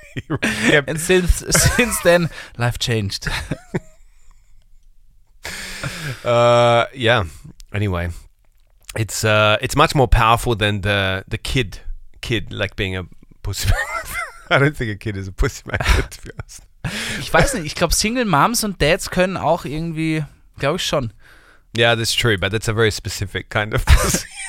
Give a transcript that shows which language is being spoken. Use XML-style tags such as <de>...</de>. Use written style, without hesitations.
<en>Yep. And since then, life changed. Yeah. Anyway, it's much more powerful than the kid like being a pussy. I don't think a kid is a pussy magnet, to be honest.</en> <de>Ich weiß nicht. Ich glaube, Single Moms und Dads können auch irgendwie, glaube ich schon.</de> <en>Yeah, that's true, but that's a very specific kind of pussy.</en>